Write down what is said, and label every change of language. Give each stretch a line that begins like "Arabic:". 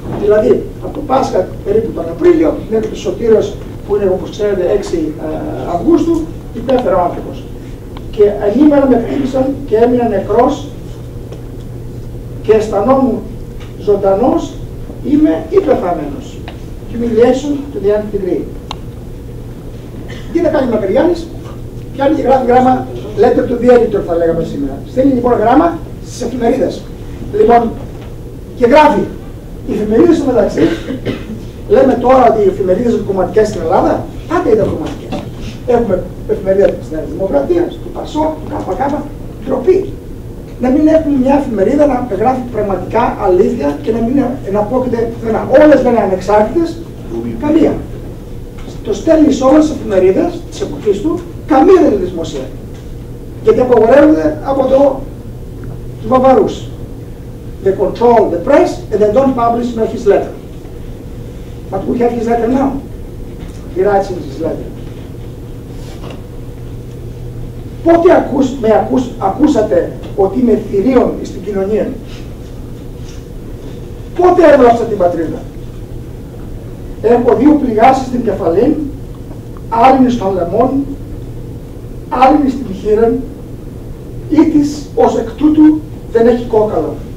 Greek: Δηλαδή, από το Πάσχα περίπου τον Απρίλιο μέχρι το Σωτήρος που είναι όπως ξέρετε 6 Αυγούστου, υπέφερα ο άνθρωπος. Και ανήμερα με χτύπησαν και έμεινα νεκρός και αισθανόμουν ζωντανός, είμαι ή πεθαμένος.
English: Humiliation to the end degree.
Greek: Τι θα κάνει ο Μακρυγιάννης, πιάνει και γράφει γράμμα
English: letter to the editor
Greek: θα λέγαμε σήμερα. Στέλνει λοιπόν γράμμα στις εφημερίδες. Λοιπόν, και γράφει. Οι εφημερίδες του μεταξύ, λέμε τώρα ότι οι εφημερίδες είναι κομματικές στην Ελλάδα, πάντα ήταν κομματικές. Έχουμε εφημερίδα της Νέας Δημοκρατίας, του ΠΑΣΟ, του ΚΚΚ, τροπή. Να μην έχουμε μια εφημερίδα να περιγράφει πραγματικά αλήθεια και να μην εναπόκειται πουθενά. Όλες λένε ανεξάρτητες, καμία. Το στέλνει σε όλες τις εφημερίδες της εποχής του, καμία δεν είναι δημοσία. Γιατί απαγορεύονται από το τους βαβαρούς.
English: They control the press and they don't publish my his letter. But we have his letter now. He writes in his letter.
Greek: Πότε ακούσατε ότι είμαι θηρίων στην κοινωνία? Πότε έβλαψα την πατρίδα? Έχω 2 πληγάσεις στην κεφαλή, άλλη στον λαιμόν, άλλη στην χείρα, ή της ως εκ τούτου δεν έχει κόκαλο.